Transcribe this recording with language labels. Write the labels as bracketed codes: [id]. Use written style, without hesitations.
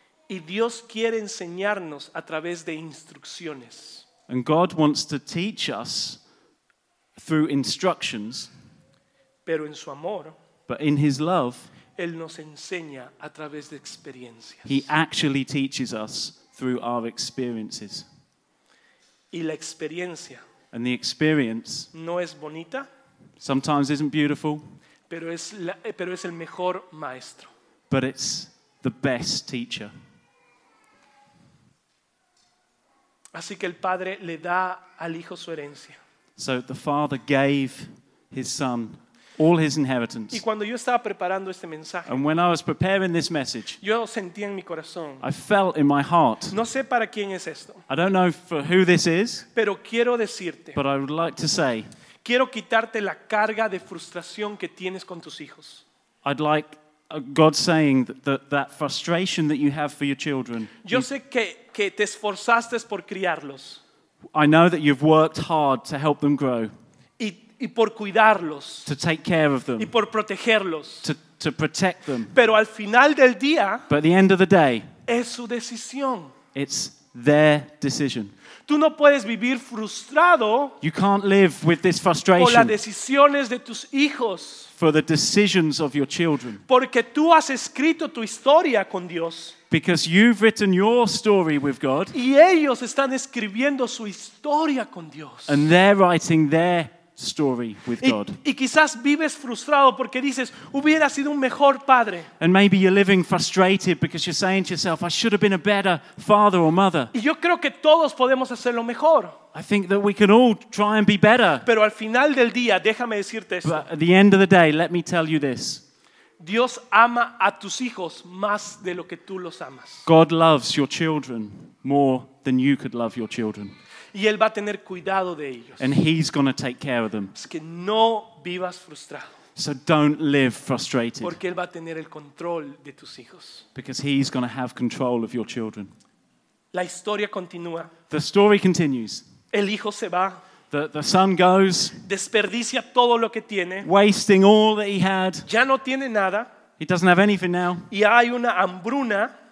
[es] Y Dios quiere enseñarnos a través de instrucciones. [en] And God wants to teach us through instructions. [es] Pero en su amor, [en] but in his love, [es] él nos enseña a través de experiencias. [en] He actually teaches us through our experiences. [es] Y la experiencia, [en] and the experience, [es] no es bonita, [en] sometimes isn't beautiful, [es] pero es el mejor maestro. [en] But it's the best teacher. [es] Así que el padre le da al hijo su herencia. [en] So the father gave his son all his inheritance. [es] Y cuando yo estaba preparando este mensaje, [en] and when I was preparing this message, [es] yo sentía en mi corazón, [en] I felt in my heart, [es] no sé para quién es esto, [en] I don't know for who this is, [es] pero quiero decirte, [en] but I would like to say, [es] quiero quitarte la carga de frustración que tienes con tus hijos. [en] I'd like God saying that frustration that you have for your children. [es] Yo sé que te esforzaste por criarlos. [en] I know that you've worked hard to help them grow. [es] Y por cuidarlos. [en] To take care of them. [es] Y por protegerlos. [en] To protect them. [es] Pero al final del día. [en] But at the end of the day. [es] Es su decisión. [en] It's their decision. [es] Tú no puedes vivir frustrado. [en] You can't live with this frustration. [es] Por las decisiones de tus hijos. [en] For the decisions of your children. [es] Porque tú has escrito tu historia con Dios. [en] Because you've written your story with God. [es] Y ellos están escribiendo su historia con Dios. [en] And they're writing their story with God. [es] Y quizás vives frustrado porque dices, hubiera sido un mejor padre. [en] And maybe you're living frustrated because you're saying to yourself, I should have been a better father or mother. [es] Y yo creo que todos podemos hacerlo mejor. [en] I think that we can all try and be better. [es] Pero al final del día, déjame decirte esto. [en] But at the end of the day, let me tell you this. [es] Dios ama a tus hijos más de lo que tú los amas. [en] God loves your children more than you could love your children. [es] Y él va a tener cuidado de ellos. [en] And he's going to take care of them. [es] Es que no vivas frustrado. [en] So don't live frustrated. [es] Porque él va a tener el control de tus hijos. [en] Because he's going to have control of your children. [es] La historia continúa. [en] The story continues. [es] El hijo se va. [en] The son goes. [es] Desperdicia todo lo que tiene. [en] Wasting all that he had. [es] Ya no tiene nada. [en] He doesn't have anything now. [es] Y hay una hambruna.